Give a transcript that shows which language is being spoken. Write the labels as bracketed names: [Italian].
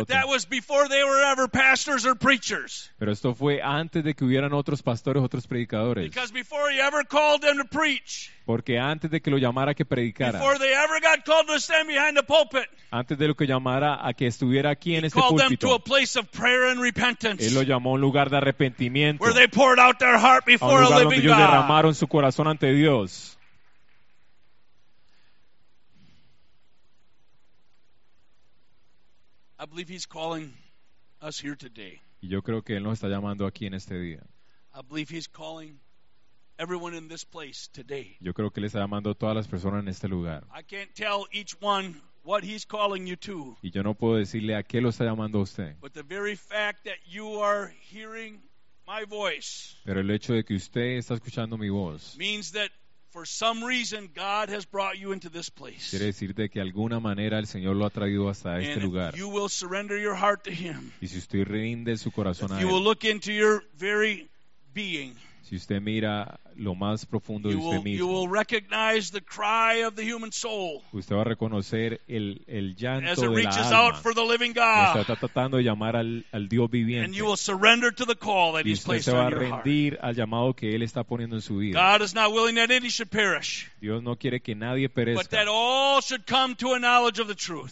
[English] But that was before they were ever pastors or preachers. [Spanish] Pero esto fue antes de que hubieran otros pastores, otros predicadores. [English] Because before he ever called them to preach. [Spanish] Porque antes de que lo llamara que predicara. [English] Before they ever got called to stand behind the pulpit. [Spanish] Antes de lo que llamara a que estuviera aquí en este púlpito. [English] He called them to a place of prayer and repentance. [Spanish] Él lo llamó a un lugar de arrepentimiento. [English] Where they poured out their heart before a living God. [Spanish] Donde ellos derramaron su corazón ante Dios. [English] I believe he's calling us here today. [Spanish] Yo creo que él nos está llamando aquí en este día. [English] I believe he's calling everyone in this place today. [Spanish] Yo creo que él está llamando a todas las personas en este lugar. [English] I can't tell each one what he's calling you to. [Spanish] Y yo no puedo decirle a qué lo está llamando a usted. [English] But the very fact that you are hearing my voice. [Spanish] Pero el hecho de que usted está escuchando mi voz. [English] Means that for some reason God has brought you into this place. [Spanish] Quiere decirte que de alguna manera el Señor lo ha traído hasta este lugar. [English] And you will surrender your heart to him. [Spanish] Y si usted rinde su corazón a él. [English] You will look into your very being. [Spanish] Si usted mira lo más profundo de usted mismo. [English] You will recognize the cry of the human soul. [Spanish] Usted va a reconocer el llanto de la alma. [English] As it reaches out for the living God. [Spanish] Usted está tratando de llamar al Dios viviente. [English] And you will surrender to the call that he's placed on your heart. [Spanish] Y usted se va a rendir al llamado que él está poniendo en su vida. [English] God is not willing that any should perish. [Spanish] Dios no quiere que nadie perezca. [English] But that all should come to a knowledge of the truth.